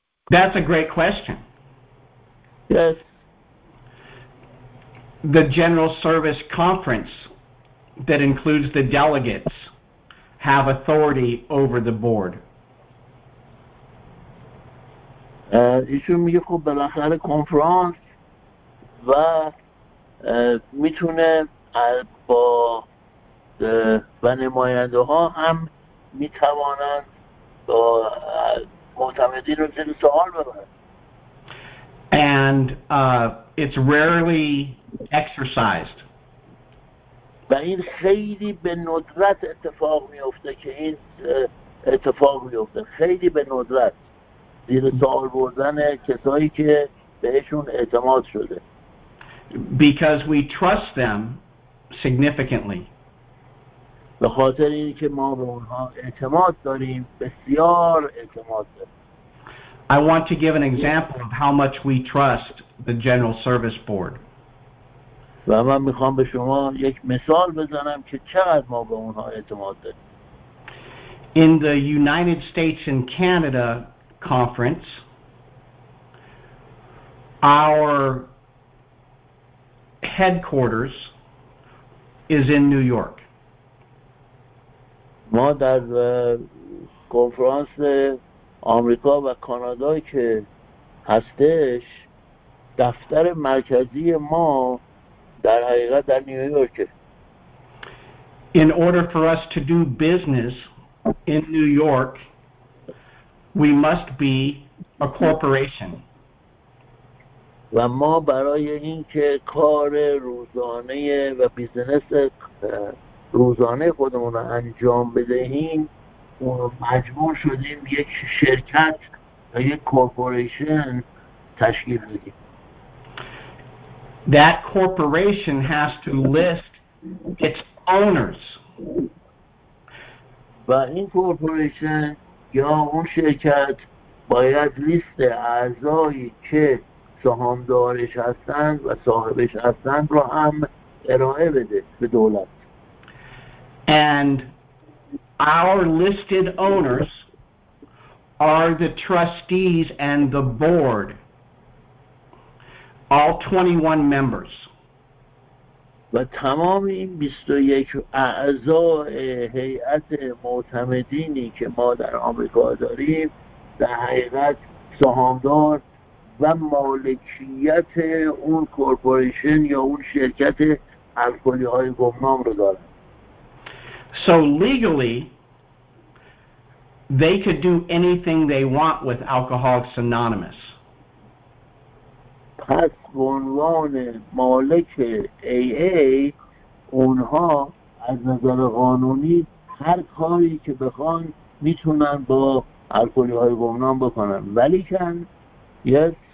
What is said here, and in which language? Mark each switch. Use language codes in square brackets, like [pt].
[en] That's a great question. Yes. The General Service Conference that includes the delegates have authority over the board. [fa] ایشون میگه خب بالاخره کنفرانس و میتونه با و نماینده ها هم میتوانند با معتمدین رو زیر سوال ببرن. [en] And it's rarely exercised. [fa] و این خیلی به ندرت اتفاق میفته که این اتفاق میفته خیلی به ندرت زیر سوال بردن کسایی که بهشون اعتماد شده. [en] Because we trust them significantly. [fa] به خاطر این که ما به اونها اعتماد داریم بسیار اعتماد داریم. [en] I want to give an example of how much we trust the General Service Board. [fa] و من میخوام به شما یک مثال بزنم که چقدر ما به اونها اعتماد داریم. [en] In the United States and Canada conference, our headquarters is in New York. [fa] ما در کنفرانس آمریکا و کانادا که هستش دفتر مرکزی ما در حقیقت در نیویورک. [en] In order for us to do business in New York, we must be a corporation. [fa] و ما برای اینکه کار روزانه و بیزنس روزانه خودمون رو انجام بدهیم مجبور شدیم یک شرکت یا یک کورپوریشن تشکیل بدیم. [en] That corporation has to list its owners. [fa] و این کورپوریشن یا اون شرکت باید لیست اعضایی که سهامدارش هستند و صاحبش هستند رو هم ارائه بده به دولت. [en] And our listed owners are the trustees and the board, all 21 members. [fa] و تمام این 21 اعضای هیئت معتمدینی که ما در آمریکا داریم در حقیقت سهامدار و مالکیت اون کورپوریشن یا اون شرکت الکلی های گمنام رو دارن. [en] So legally they could do anything they want with Alcoholics Anonymous. [fa] پس عنوان مالک AA اونها از نظر قانونی هر کاری که بخوان میتونن با الکلی های گمنام بکنن ولی کن yes